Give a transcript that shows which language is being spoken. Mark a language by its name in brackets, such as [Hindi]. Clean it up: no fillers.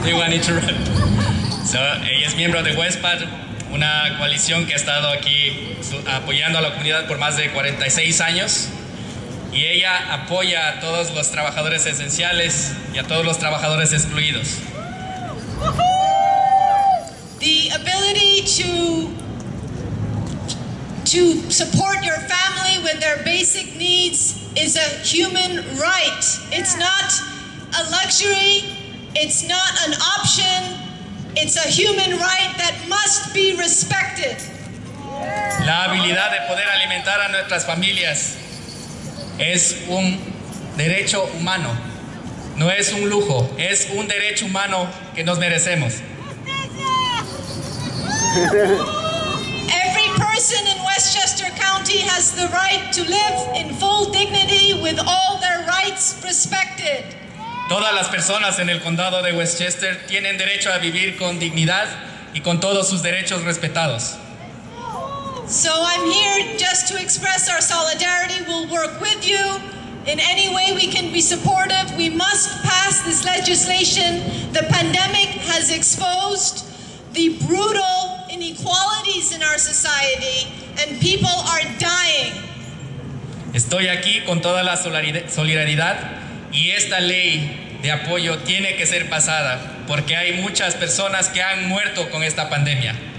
[Spanish] So, ella es miembro de Westpac, una coalición que ha estado aquí apoyando a la comunidad por más de 46 años. Y ella apoya a todos los trabajadores esenciales y a todos los trabajadores excluidos. [English] The ability to support your family with their basic needs is a human right. It's not a luxury, it's not an option. It's a human right that must be respected. [Spanish] La habilidad de poder alimentar a nuestras familias es un derecho humano. No es un lujo, es un derecho humano que nos merecemos. [English] Every person in Westchester County has the right to live in full dignity with all their rights respected. [Spanish] Todas las personas en el condado de Westchester tienen derecho a vivir con dignidad y con todos sus derechos respetados. [English] So I'm here just to express our solidarity. We'll work with you in any way we can be supportive. We must pass this legislation. The pandemic has exposed the brutal inequalities in our society and people are dying. [Spanish] Estoy aquí con toda la solidaridad y esta ley de apoyo tiene que ser pasada porque hay muchas personas que han muerto con esta pandemia.